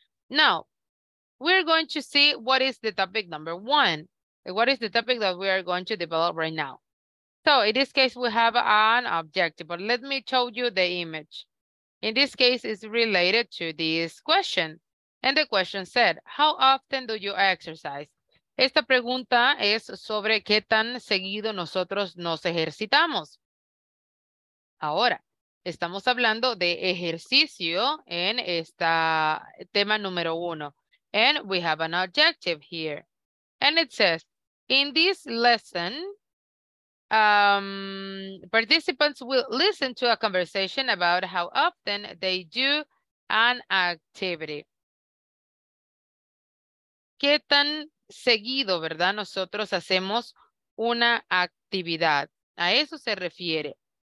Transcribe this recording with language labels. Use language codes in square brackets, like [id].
[en] Now, we're going to see what is the topic number one. What is the topic that we are going to develop right now? So in this case, we have an objective, but let me show you the image. In this case, it's related to this question. And the question said, how often do you exercise? [es] Esta pregunta es sobre qué tan seguido nosotros nos ejercitamos. Ahora, estamos hablando de ejercicio en esta tema número uno. [en] And we have an objective here. And it says, in this lesson, participants will listen to a conversation about how often they do an activity. [es] ¿Qué tan seguido, verdad, nosotros hacemos una actividad? A eso se refiere.